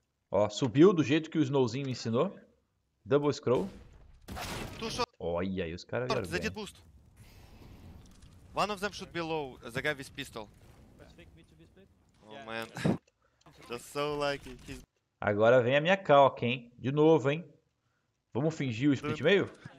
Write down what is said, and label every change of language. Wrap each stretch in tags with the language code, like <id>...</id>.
<pt>Oh, ó, subiu do jeito que o Snowzinho me ensinou. Double scroll. Olha aí, os caras vieram bem.</pt> <en>Boost. One of them should be low, the guy with pistol. Oh man, just so lucky. He's...</en> <pt>Agora vem a minha calca, hein? De novo, hein? Vamos fingir o split meio?</pt>